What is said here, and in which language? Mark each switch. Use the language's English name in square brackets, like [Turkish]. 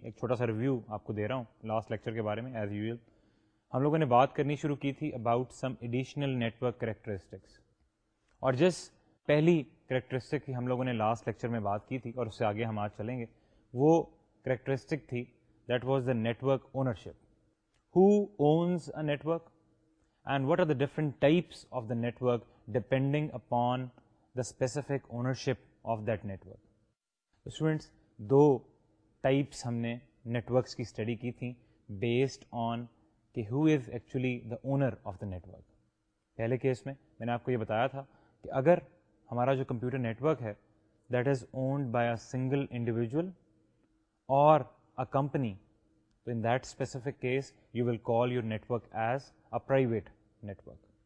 [Urdu] ایک چھوٹا سا ریویو آپ کو دے رہا ہوں لاسٹ لیکچر کے بارے میں. [English] as usual [Urdu] ہم لوگوں نے بات کرنی شروع کی تھی [English] about some additional network characteristics, [Urdu] اور جس پہلی کریکٹرسٹک کی ہم لوگوں نے لاسٹ لیکچر میں بات کی تھی اور اس سے آگے ہم آج چلیں گے, وہ کریکٹرسٹک تھی, [English] That was the network ownership. Who owns a network and what are the different types of the network depending upon the specific ownership of that network. [Urdu] Students, do types ہم نے نیٹورکس کی study کی تھیں [English] based on [Urdu] کہ [English] Who is actually the owner of the network. [Urdu] پہلے case میں میں نے آپ کو یہ بتایا تھا کہ اگر ہمارا جو کمپیوٹر نیٹورک ہے [English] that is owned by a single individual اور a company, [Urdu] تو [English] In that specific case you will call your network as a private network.